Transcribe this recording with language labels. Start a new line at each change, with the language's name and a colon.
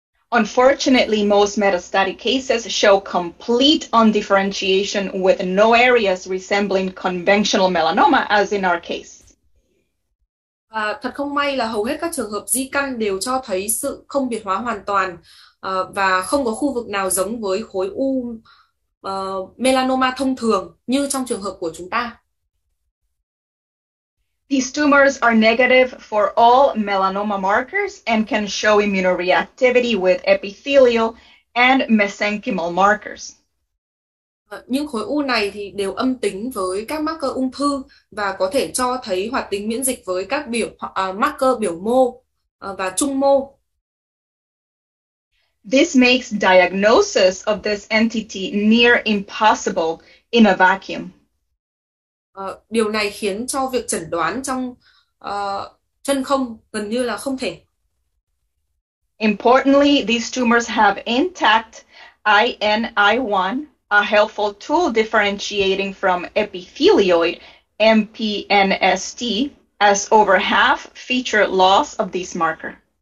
English: Unfortunately, most metastatic cases show complete undifferentiation with no areas resembling conventional melanoma, as in our case.
Vietnamese: Và thật không may là hầu hết các trường hợp di căn đều cho thấy sự không biệt hóa hoàn toàn và không có khu vực nào giống với khối u melanoma thông thường như trong trường hợp của chúng ta.
English: These tumors are negative for all melanoma markers and can show immunoreactivity with epithelial and mesenchymal markers.
Vietnamese: Những khối u này thì đều âm tính với các marker ung thư và có thể cho thấy hoạt tính miễn dịch với các marker biểu mô và trung mô.
English: This makes diagnosis of this entity near impossible in a vacuum.
Vietnamese: Điều này khiến cho việc chẩn đoán trong chân không gần như là không thể.
English: Importantly, these tumors have intact INI1, a helpful tool differentiating from epithelioid MPNST, as over half feature loss of this marker.